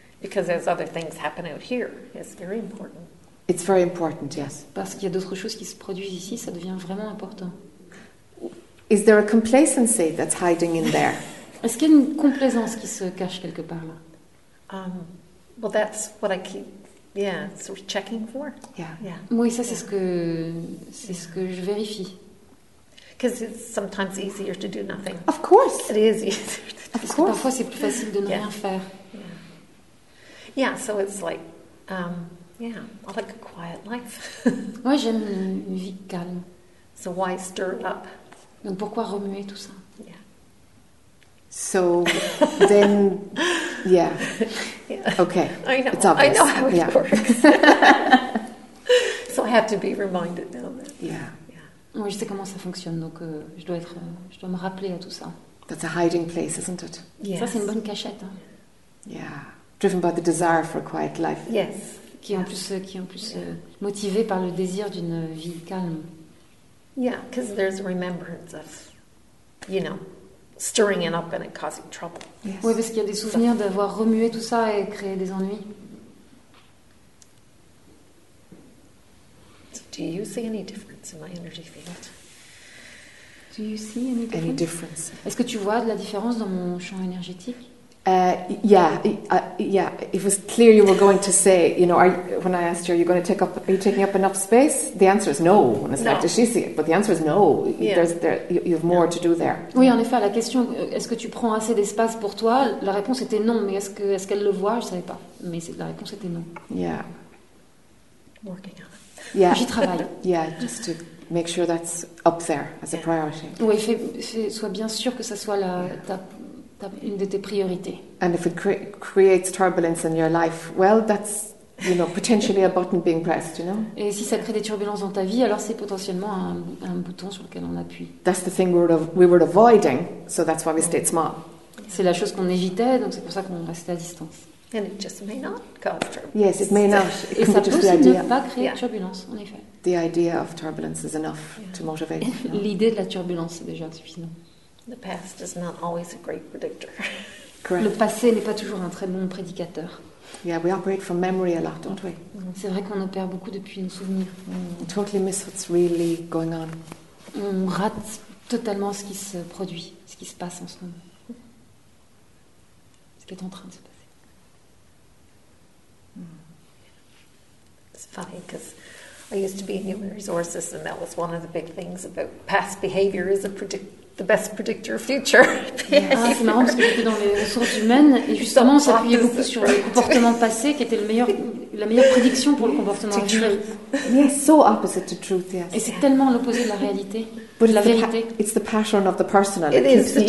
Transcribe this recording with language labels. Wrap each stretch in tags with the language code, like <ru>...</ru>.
<en>Because there's other things happen out here. It's very important. It's very important, yes.</en> <fr>Parce qu'il y a d'autres choses qui se produisent ici, ça devient vraiment important.</fr> <en>Is there a complacency that's hiding in there?</en> <fr>Est-ce qu'il y a une complaisance qui se cache quelque part là?</fr> <en>Well, that's what I keep, yeah, sort of checking for. Yeah.</en> <fr>Oui, ça c'est ce que je vérifie.</fr> <en>Because it's sometimes easier to do nothing. Of course. It is easier. Of course.</en> <fr>Parfois c'est plus facile de ne rien faire.</fr> <en>Yeah, so it's like, I like a quiet life.</en> <fr>Moi j'aime une vie calme.</fr> <en>So why stir it up?</en> <fr>Donc pourquoi remuer tout ça?</fr> <en>So then, yeah. Okay. I know. It's obvious. I know how it works. So I have to be reminded now. Yeah.</en> <fr>Moi, je sais comment ça fonctionne, donc je dois me rappeler à tout ça.</fr> <en>That's a hiding place, isn't it?</en> <fr>Yes. Ça, c'est une bonne cachette. Hein.</fr> <en>Yeah. Driven by the desire for a quiet life. Yes.</en> <fr>Qui est en plus motivé par le désir d'une vie calme.</fr> <en>Yeah, because there's a remembrance of, you know, stirring it up and it causing trouble. Yes.</en> <fr>Oui, parce qu'il y a des souvenirs d'avoir remué tout ça et créé des ennuis.</fr> <en>So do you see any difference in my energy field? Do you see any difference? Any difference? Est-ce que tu vois de la différence dans mon champ énergétique? It was clear you were going to say, you know, when I asked you, are you taking up enough space? The answer is no. And it's like, does she see it? But the answer is no. Yeah. You have more to do there.</en> <fr>Oui, en effet, la question, est-ce que tu prends assez d'espace pour toi? La réponse était non. Mais est-ce qu'elle le voit? Je ne savais pas. Mais la réponse était non.</fr> <en>Yeah. Working on it. Yeah.</en> <fr>J'y travaille.</fr> <en>Yeah, just to make sure that's up there as a priority.</en> <fr>Oui, sois bien sûr que ça soit une de tes priorités.</fr> <en>And if it creates turbulence in your life, well, that's, you know, potentially a button being pressed, you know?</en> <fr>Et si ça crée des turbulences dans ta vie, alors c'est potentiellement un bouton sur lequel on appuie.</fr> <en>That's the thing we were avoiding, so that's why we stayed small.</en> <fr>C'est la chose qu'on évitait, donc c'est pour ça qu'on restait à distance.</fr> <en>And it just may not cause turbulence. Yes, it may not.</en> <fr>Et ça peut aussi ne pas créer de turbulence, en effet.</fr> <en>The idea of turbulence is enough to motivate. You know?</en> <fr>L'idée de la turbulence, c'est déjà suffisant.</fr> <en>The past is not always a great predictor. Correct.</en> <fr>Le passé n'est pas toujours un très bon prédicateur.</fr> <en>Yeah, we operate from memory a lot, don't we?</en> <fr>C'est vrai qu'on opère beaucoup depuis nos souvenirs.</fr> <en>We totally miss what's really going on.</en> <fr>On rate totalement ce qui se produit, ce qui se passe en ce moment. Ce qui est en train de se passer.</fr> <en>It's funny because I used to be in human resources and that was one of the big things about past behavior is a predictor. The best predictor of future.</en> <fr>Ah, c'est marrant parce que j'étais dans les ressources humaines et justement on s'appuyait beaucoup sur le comportement passé qui était la meilleure prédiction pour le comportement futur.</fr> <en>Yes, so opposite to truth, yes.</en> <fr>Et c'est tellement l'opposé de la réalité,</fr> <en>but</en> <fr>de la vérité.</fr> <en>It's the pattern of the personal. It is the</en>